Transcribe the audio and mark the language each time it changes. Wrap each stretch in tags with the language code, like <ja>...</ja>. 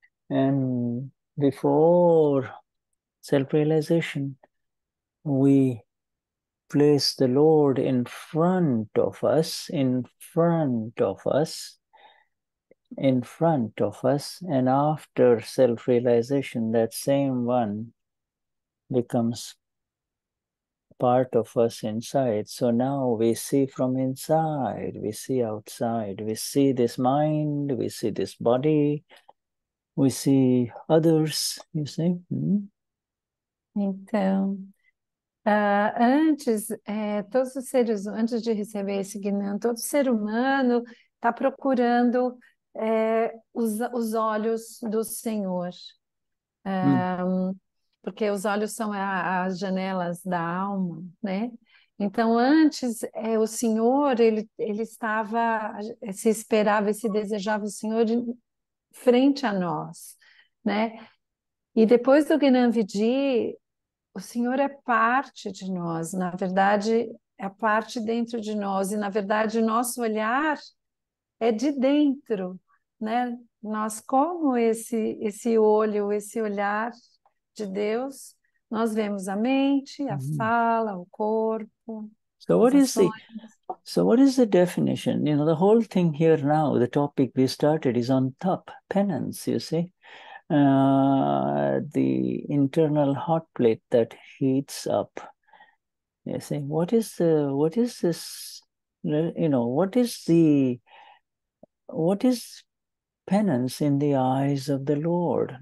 <en>And before self-realization, we place the Lord in front of us, in front of us, in front of us, and after self-realization, that same one becomes part of us inside. So now we see from inside, we see outside, we see this mind, we see this body, we see others, you see.</en> <pt>Então, antes, todos os seres, antes de receber esse Gnan, todo ser humano está procurando os olhos do Senhor. Porque os olhos são as janelas da alma, né? Então, antes, o Senhor, ele estava, se esperava e se desejava o Senhor frente a nós, né? E depois do Gnan Vidhi, o Senhor é parte de nós, na verdade, é a parte dentro de nós, e na verdade, o nosso olhar é de dentro, né? Nós, como esse olho, esse olhar de Deus, nós vemos a mente, a fala, o corpo,</pt> <en>so</en> <pt>as</pt> <en>what is</en> <pt>ações.</pt> <en>So what is the definition? You know, the whole thing here now, the topic we started is on tapa, penance, you see. The internal hot plate that heats up. You see, what is penance in the eyes of the Lord?</en>